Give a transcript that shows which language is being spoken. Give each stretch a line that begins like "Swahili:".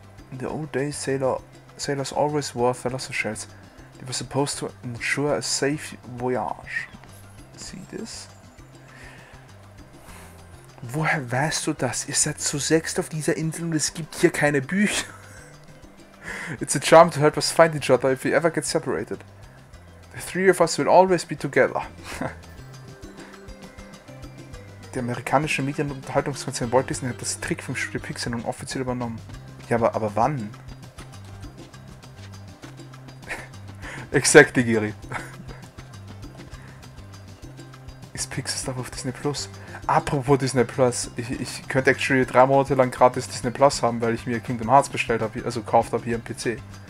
English: In the old days, sailors always wore Thalassa Shells. They were supposed to ensure a safe voyage. See this?
German: Woher weißt du das? Ihr seid zu sechst auf dieser Insel und es gibt hier keine Bücher.
English: It's a charm to help us find each other if we ever get separated. The three of us will always be together.
German: Der amerikanische Medien- und Unterhaltungskonzern Walt Disney hat das Trick vom Studio Pixar nun offiziell übernommen. Ja, aber wann? Exakt, Giri. Ist Pixar Stuff auf Disney Plus? Apropos Disney Plus, ich könnte actually 3 Monate lang gratis Disney Plus haben, weil ich mir Kingdom Hearts bestellt habe, also gekauft habe hier im PC.